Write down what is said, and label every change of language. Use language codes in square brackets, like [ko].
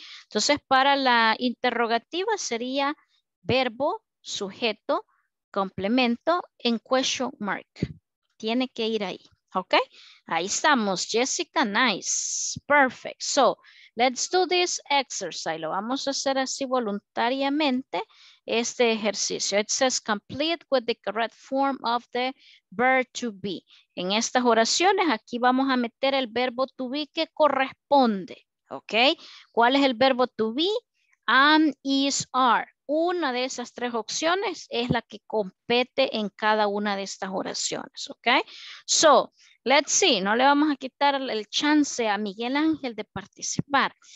[es] Entonces para la interrogativa sería verbo, sujeto, complemento en question mark. Tiene que ir ahí, ¿ok? Ahí estamos, Jessica, [en] nice, perfect. So, let's do this exercise. [es] Lo vamos a hacer así voluntariamente, este ejercicio. [en] It says complete with the correct form of the verb to be. [es] En estas oraciones, aquí vamos a meter el verbo to be que corresponde, ¿ok? ¿Cuál es el verbo to be? Am, is, are. Una de esas tres opciones es la que compete en cada una de estas oraciones, ¿ok? [en] So, let's see, [es] no le vamos a quitar el chance a Miguel Ángel de participar.